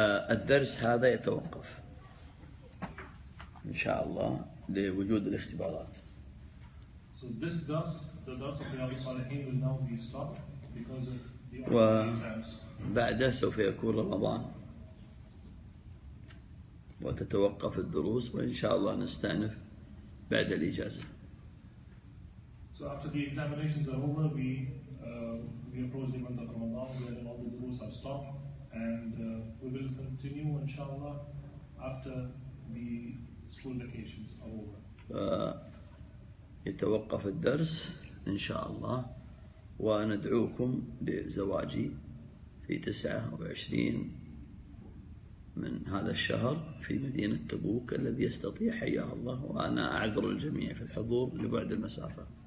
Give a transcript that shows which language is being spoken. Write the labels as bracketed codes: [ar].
[ar] الدرس هذا يتوقف إن شاء الله لوجود الاختبارات. [en] So this does, the درس of the Abu Salihin will now be stopped because of the exams. [ar] وبعده سوف يكون رمضان وتتوقف الدروس وإن شاء الله نستأنف بعد الإجازة. [en] So after the examinations are over, we approach the month of Ramadan where all the durus are stopped. And we will continue, inshallah, after the school vacations are over. [ar] يتوقف الدرس إن شاء الله وندعوكم لزواجي في 29 من هذا الشهر في مدينة تبوك الذي يستطيع حياه الله وأنا أعذر الجميع في الحضور لبعد المسافة.